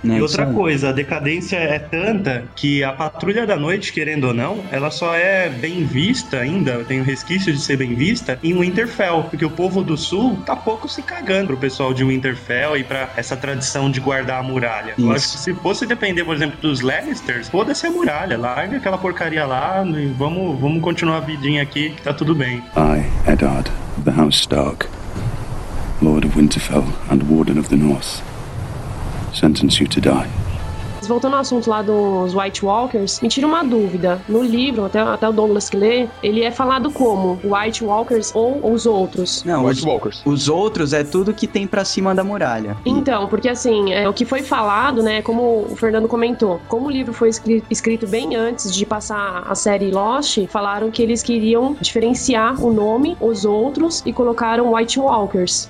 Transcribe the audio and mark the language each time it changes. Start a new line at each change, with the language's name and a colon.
Portuguese: E outra coisa, a decadência é tanta que a Patrulha da Noite, querendo ou não, ela só é bem vista ainda, tem o resquício de ser bem vista, em Winterfell. Porque o povo do sul tá pouco se cagando pro pessoal de Winterfell e pra essa tradição de guardar a muralha. Isso. Eu acho que se fosse depender, por exemplo, dos Lannisters, foda-se a muralha, larga aquela porcaria lá e vamos continuar a vidinha aqui, que tá tudo bem.
English: I, Eddard, the House Stark, Lord of Winterfell and Warden of the North, sentence you to die.
Portuguese: Voltando ao assunto lá dos White Walkers, me tira uma dúvida. No livro, até o Douglas que lê, ele é falado como? White Walkers ou os outros? Não, White Walkers. Os outros é tudo que tem pra cima da muralha. Então, porque assim, o que foi falado, né, como o Fernando comentou, como o livro foi escrito bem antes de passar a série Lost, falaram que eles queriam diferenciar o nome, os outros, e colocaram White Walkers.